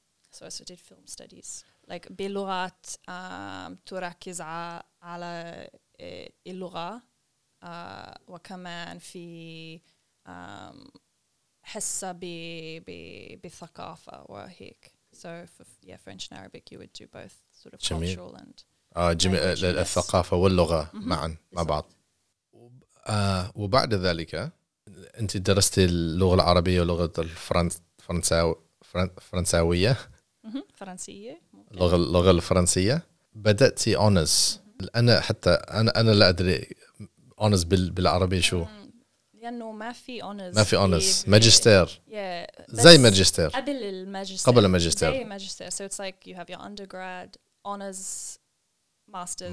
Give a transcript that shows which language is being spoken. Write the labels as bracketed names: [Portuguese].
[English] So I also did film studies. [Arabic] Like بلغات تركز على اللغة وكمان في حصة بثقافة وهيك. [English] So for, yeah, French and Arabic, you would do both sort of جميل. Cultural and [Arabic] جميل الثقافة واللغة معاً مع بعض. وبعد ذلك أنت درست اللغة العربية ولغة الفرنساوية فرنسية اللغة الفرنسية بدأت honors أنا حتى أنا لا أدري honors بالعربي شو لأنه ما في honors ما في honors ماجستير زي ماجستير قبل الماجستير قبل الماجستير زي ماجستير [English] so it's like you have your undergrad honors masters,